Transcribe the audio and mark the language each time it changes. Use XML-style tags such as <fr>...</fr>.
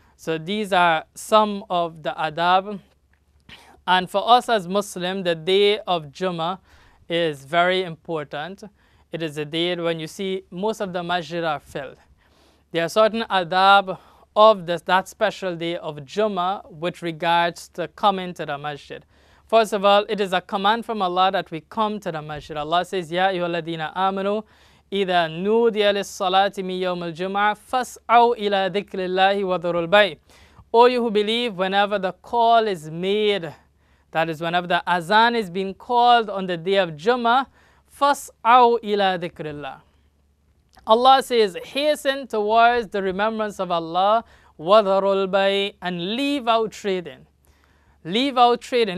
<en>So these are some of the adab. And for us as Muslims, the day of Jummah is very important. It is a day when you see most of the masjid are filled. There are certain adab of this, that special day of Jummah with regards to coming to the masjid. First of all, it is a command from Allah that we come to the masjid. Allah says,</en> <ar>Ya ayyuhalladhina amanu, إِذَا نُودِيَ لِلصَّلَاةِ مِنْ يَوْمِ الْجُمْعَةِ فَاسْعَوْا إِلَىٰ ذِكْرِ اللَّهِ وَذَرُوا الْبَيْعَ.</ar> <en>O you who believe, whenever the call is made, that is whenever the azan is being called on the day of Jummah,</en> <ar>فَاسْعَوْا إِلَىٰ ذِكْرِ اللَّهِ.</ar> <en>Allah says, hasten towards the remembrance of Allah,</en> <ar>وَذَرُوا الْبَيْعَ,</ar> <en>and leave out trading. Leave out trading.</en>